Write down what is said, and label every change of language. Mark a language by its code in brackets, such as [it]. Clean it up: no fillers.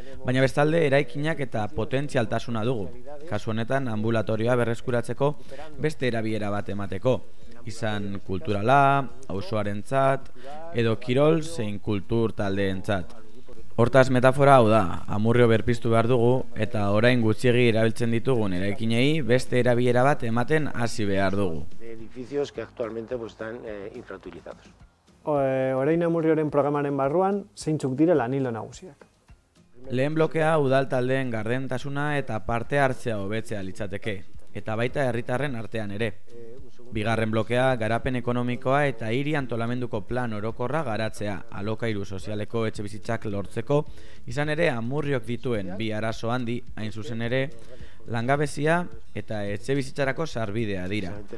[eu] Baina bestalde, eraikinak eta potentzialtasuna dugu. Kasu honetan, ambulatorioa berreskuratzeko beste erabiera bat emateko. Izan kulturala, auzoarentzat edo kirol zein kultur taldeentzat. Hortaz, metafora hau da, Amurrio berpiztu behar dugu eta orain gutxiegi erabiltzen ditugun eraikinei beste erabiera bat ematen hasi behar dugu. [es] Edificios que actualmente pues están infrautilizados. [eu] Orain Amurrioren programaren barruan zeintzuk dira lan ildo nagusiak? Lehen blokea udal taldeen gardentasuna eta parte hartzea hobetzea litzateke eta baita herritarren artean ere. Bigarren blokea, garapen ekonomikoa eta hiri antolamenduko plan orokorra garatzea, alokairu sozialeko etxe bizitzak lortzeko, izan ere Amurriok dituen bi arazo handi, hain zuzen ere, langabezia eta etxe bizitzarako sarbidea dira.